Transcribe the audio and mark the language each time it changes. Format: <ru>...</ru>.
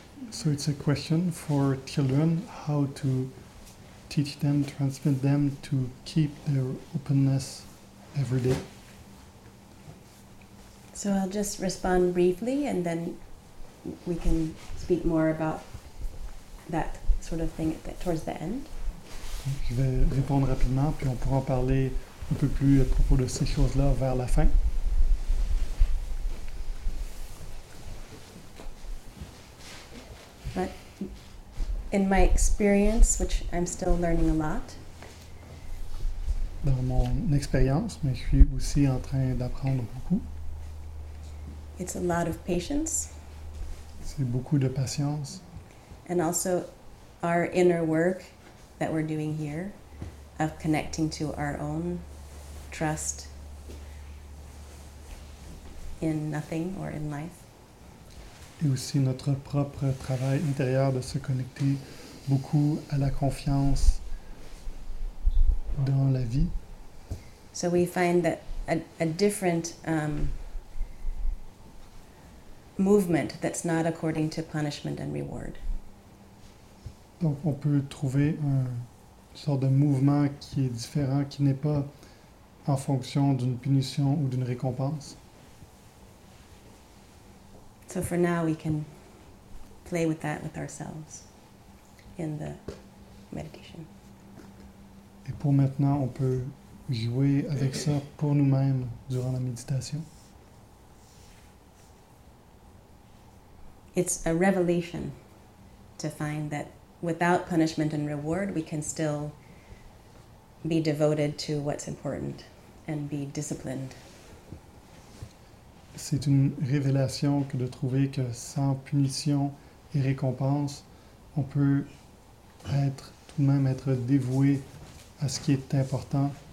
<en>So it's a question for children, how to teach them, transmit them to keep their openness every day. So I'll just respond briefly and then we can speak more about that sort of thing towards the end.</en> <fr>Je vais répondre rapidement puis on pourra en parler un peu plus à propos de ces choses-là vers la fin.</fr> <en>In my experience, which I'm still learning a lot.</en> <fr>Dans mon expérience, mais je suis aussi en train d'apprendre beaucoup.</fr> <en>It's a lot of patience.</en> <fr>C'est beaucoup de patience.</fr> <en>And also our inner work that we're doing here of connecting to our own trust in nothing or in life.</en> <fr>Et aussi notre propre travail intérieur de se connecter beaucoup à la confiance dans la vie.</fr> <en>So we find that a different movement that's not according to punishment and reward.</en> <fr>Donc on peut trouver un sort de mouvement qui est différent, qui n'est pas en fonction d'une punition ou d'une récompense.</fr> <en>So for now we can play with that with ourselves in the meditation.</en> <fr>Et pour maintenant, on peut jouer avec ça pour nous-mêmes durant la méditation.</fr> <en>It's a revelation to find that without punishment and reward, we can still be devoted to what's important and be disciplined.</en> <fr>C'est une révélation que de trouver que sans punition et récompense, on peut être tout de même être dévoué à ce qui est important.</fr>